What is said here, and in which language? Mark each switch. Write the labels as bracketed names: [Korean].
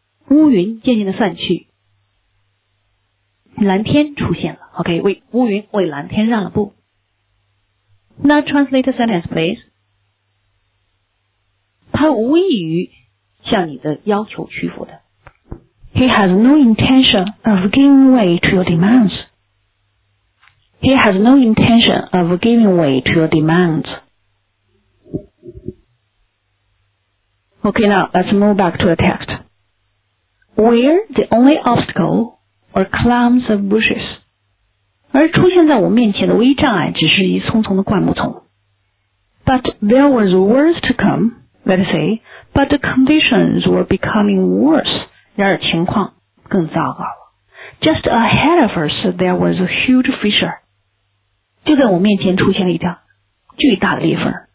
[Chinese] 乌云渐渐地散去，蓝天出现了。 [English] OK, [Chinese] 为乌云为蓝天让了步。 [English] Now translate a sentence, please. [Chinese] 他无异于向你的要求屈服的。 [English] He has no intention of giving way to your demands. He has no intention of giving way to your demands. Okay, now let's move back to the text. Where the only obstacle were clumps of bushes. [Chinese] 而出现在我面前的唯一障碍只是一丛丛的灌木丛。 [English] But there was worse to come, let's say, but the conditions were becoming worse. [Chinese] 然而情况更糟糕了。 [English] Just ahead of us, there was a huge fissure. [Chinese] 就在我面前出现了一条巨大的裂缝。